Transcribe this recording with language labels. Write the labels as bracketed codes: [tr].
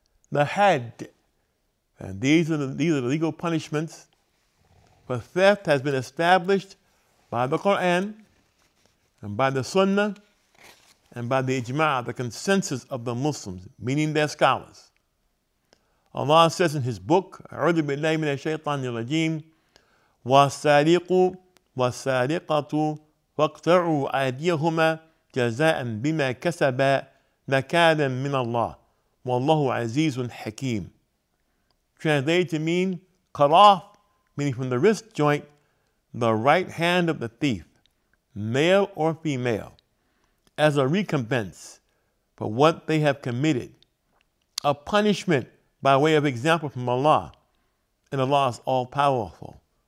[en] The had, and these are the legal punishments for theft, has been established by the Quran and by the Sunnah and by the ijma', the consensus of the Muslims, meaning their scholars. Allah says in His book, [ar] أعوذ بالله من الشيطان الرجيم والسارق والسارقة فاقطعوا أيديهما جزاء بما كسبا نكالا من الله والله عزيز حكيم. [en] Translated to mean cut off, meaning from the wrist joint, the right hand of the thief, male or female, as a recompense for what they have committed, a punishment by way of example from Allah, and Allah is all-powerful,